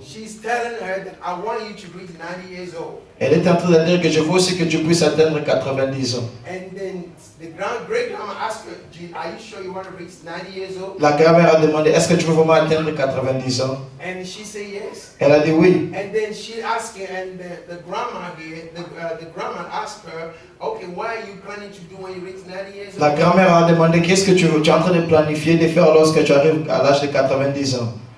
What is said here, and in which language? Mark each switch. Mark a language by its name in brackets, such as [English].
[English] She's telling her that I want you to reach 90 years old. [French] Elle est en train de dire que je veux aussi que tu puisses atteindre 90 ans. [English] And then the great grandma asked her, "Are you sure you want to reach 90 years old?" [French] La grand-mère a demandé, est-ce que tu veux vraiment atteindre 90 ans? [English] And she said yes. [French] Elle a dit oui. [English] And then she asked her, and the grandma asked her. Okay, why are you planning to do when you reach 90 years old? [French] La grand-mère a demandé qu'est-ce que tu es en train de planifier de faire lorsque tu arrives à l'âge de 90 ans.